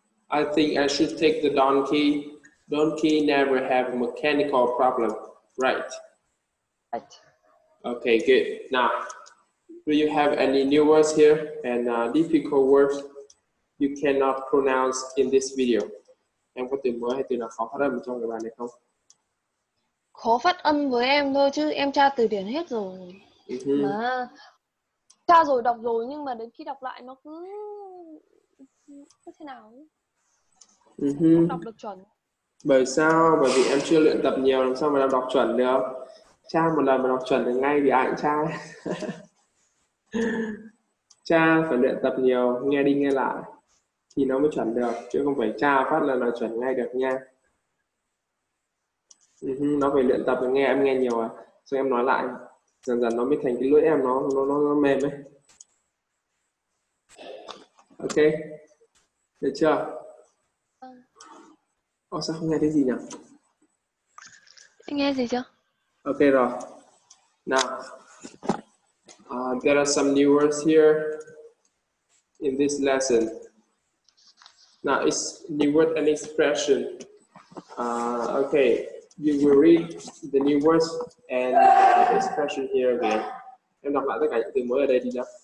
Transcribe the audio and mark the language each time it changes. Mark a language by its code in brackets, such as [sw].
[en] I think I should take the donkey. Donkey never have mechanical problem, right? Right. Okay, good. Now, do you have any new words here and difficult words you cannot pronounce in this video? [vi] Em có từ mới hay từ nào khó phát âm trong cái bài này không? Khó phát âm với em thôi chứ em tra từ điển hết rồi. Mà tra rồi đọc rồi nhưng mà đến khi đọc lại nó cứ như thế nào ấy. Không đọc được chuẩn. Bởi sao? Bởi vì em chưa luyện tập nhiều làm sao mà đọc chuẩn được. Tra một lần mà đọc chuẩn được ngay thì ai cũng tra. Tra phải luyện tập nhiều, nghe đi nghe lại thì nó mới chuẩn được, chứ không phải tra phát là nó chuẩn ngay được nha. Nó phải luyện tập và nghe, em nghe nhiều à, xong em nói lại dần dần nó mới thành cái lưỡi em nó mềm ấy. Ok, được chưa? Ồ, sao không nghe thấy gì nhỉ? Anh nghe gì chưa? Ok rồi. [en] Nào, there are some new words here in this lesson. Now it's new word and expression. Okay, you will read the new words and expression here again. [vi] Em đọc lại tất cả những từ mới ở đây đi nhá.